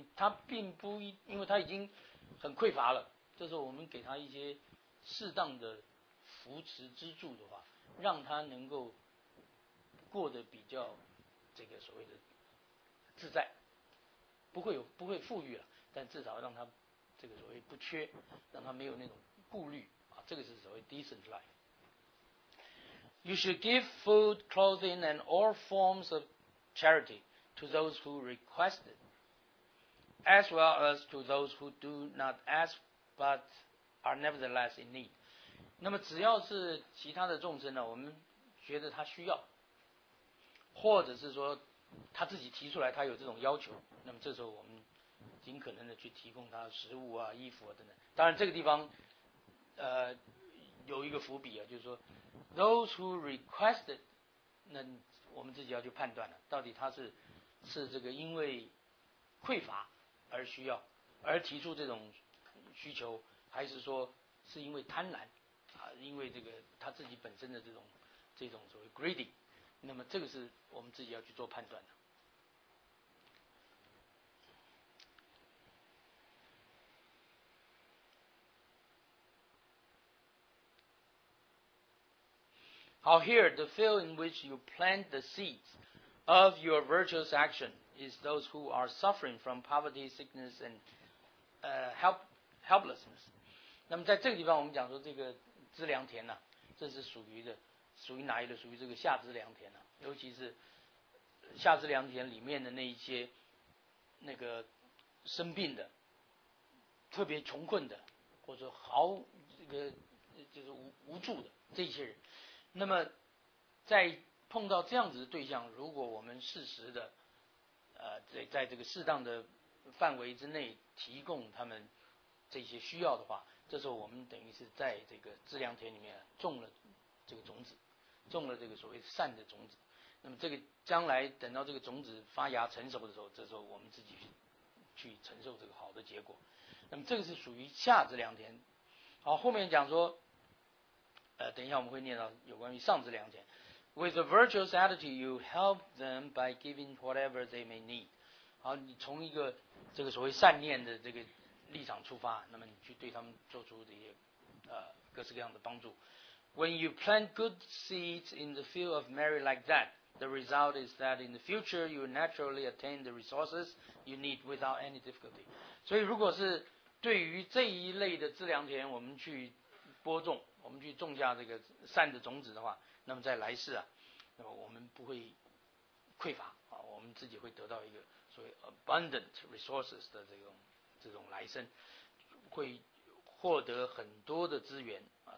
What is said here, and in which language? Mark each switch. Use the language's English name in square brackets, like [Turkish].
[Chinese] 他并不因为他已经很匮乏了，这时候我们给他一些适当的扶持支柱的话，让他能够过得比较这个所谓的自在，不会富裕了，但至少让他这个所谓不缺，让他没有那种顾虑啊，这个是所谓 [English] decent life。 You should give food, clothing, and all forms of charity to those who request it, as well as to those who do not ask but are nevertheless in need. [Chinese] 那么只要是其他的众生呢，我们觉得他需要，或者是说他自己提出来他有这种要求，那么这时候我们尽可能的去提供他食物啊、衣服啊等等。当然这个地方有一个伏笔啊，就是说 [English] those who requested， [Chinese] 那我们自己要去判断了，到底他是这个因为匮乏而需要而提出这种需求，还是说是因为贪婪啊，因为这个他自己本身的这种所谓 greedy， 那么这个是我们自己要去做判断的。 [English] How here the field in which you plant the seeds of your virtuous action is those who are suffering from poverty, sickness, and helplessness. [Chinese] 那么在这个地方，我们讲说这个资粮田呢，这是属于哪一类？属于这个下资粮田呢？尤其是下资粮田里面的那一些那个生病的、特别穷困的，或者毫这个就是无助的这些人。那么在碰到这样子的对象，如果我们适时的在这个适当的范围之内提供他们这些需要的话，这时候我们等于是在这个资粮田里面种了这个种子，种了这个所谓善的种子。那么这个将来等到这个种子发芽成熟的时候，这时候我们自己去承受这个好的结果。那么这个是属于下资粮田。好，后面讲说等一下我们会念到有关于上资粮田。 [English] With a virtuous attitude you help them by giving whatever they may need。 [Chinese] 好，你从一个这个所谓善念的这个立场出发，那么你去对他们做出这些各式各样的帮助。 [English] When you plant good seeds in the field of merit like that, the result is that in the future you naturally attain the resources you need without any difficulty。 [Chinese] 所以如果是对于这一类的资粮田我们去播种，我们去种下这个善的种子的话，那么在来世啊，那么我们不会匮乏啊，我们自己会得到一个所谓 [English] abundant resources [Chinese] 的这种来生，会获得很多的资源啊。